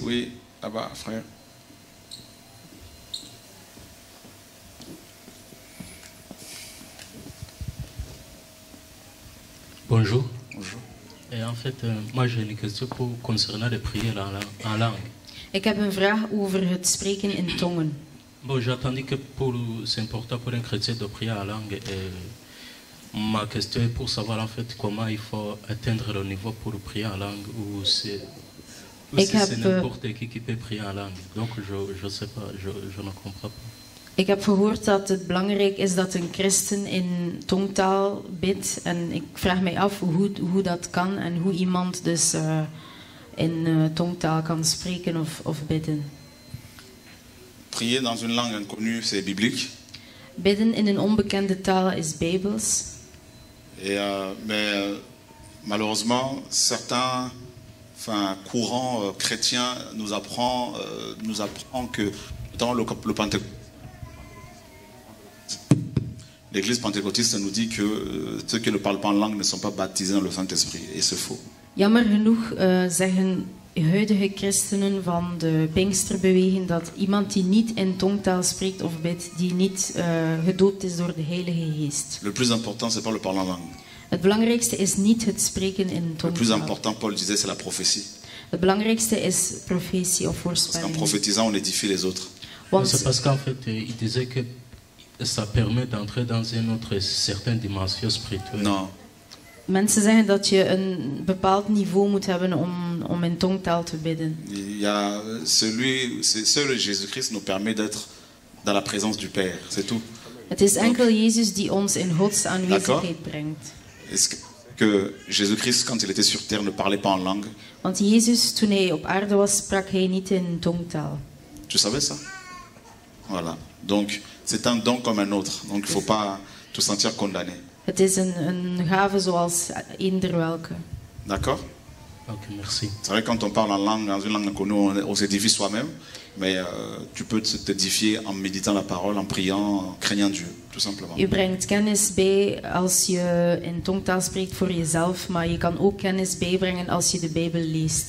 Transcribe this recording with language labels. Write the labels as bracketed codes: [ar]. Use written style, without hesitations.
[fr] Oui, là-bas, frère. Bonjour. Bonjour. Et en fait, moi j'ai une question pour concernant les prières en langue. [nl] Ik heb een vraag over het spreken in tongen. [fr] Bon, j'ai entendu que c'est important pour un chrétien de prier en langue. Et ma question est pour savoir en fait comment il faut atteindre le niveau pour prier en langue ou c'est n'importe qui peut prier en langue. Donc je ne sais pas, je ne comprends pas. [nl] Ik heb gehoord dat het belangrijk is dat een christen in tongtaal bidt. En ik vraag mij af hoe dat kan en hoe iemand dus in tongtaal kan spreken of bidden. [fr] Prier dans une langue inconnue, c'est biblique. [nl] Bidden in een onbekende taal is bijbels. [fr] Et, mais malheureusement, certains courants chrétiens nous apprennent que dans le Pentecôte, l'église pentecôtiste nous dit que ceux qui ne parlent pas en langue ne sont pas baptisés dans le Saint-Esprit, et c'est faux. [nl] Jammer genoeg zeggen huidige christenen van de Pinksterbeweging dat iemand die niet in tongtaal spreekt of bidt, die niet gedoopt is door de Heilige Geest. [fr] Le plus important, c'est pas le parler en langue. [nl] Het belangrijkste is niet het spreken in tongtaal. [fr] Le plus important, Paul disait, c'est la prophétie. [nl] Het belangrijkste is profetie of voorspelling. [fr] Parce qu'en prophétisant, on édifie les autres. Want c'est parce qu'en fait, il disait que ça permet d'entrer dans une autre certaine dimension spirituelle. Non. [nl] Mensen zeggen dat je een bepaald niveau moet hebben om in tongtaal te bidden. [fr] Ja, seul Jésus-Christ nous permet d'être dans la présence du Père, c'est tout. [nl] Het is enkel Jezus die ons in Gods aanwezigheid brengt. [fr] Est-ce que Jésus-Christ, quand il était sur terre, ne parlait pas en langue? [nl] Want Jezus, toen hij op aarde was, sprak hij niet in tongtaal. [fr] Tu savais ça? Voilà. Donc, c'est un don comme un autre. Donc, il ne faut pas te sentir condamné. [nl] Het is een gave zoals eender welke. [fr] D'accord. Ok, merci. C'est vrai quand on parle en langue, dans une langue inconnue, on s'édifie soi-même. Mais tu peux t'édifier en méditant la parole, en priant, en craignant Dieu, tout simplement. [nl] Je brengt kennis bij als je in tongtaal spreekt voor jezelf. Maar je kan ook kennis bijbrengen als je de Bijbel leest.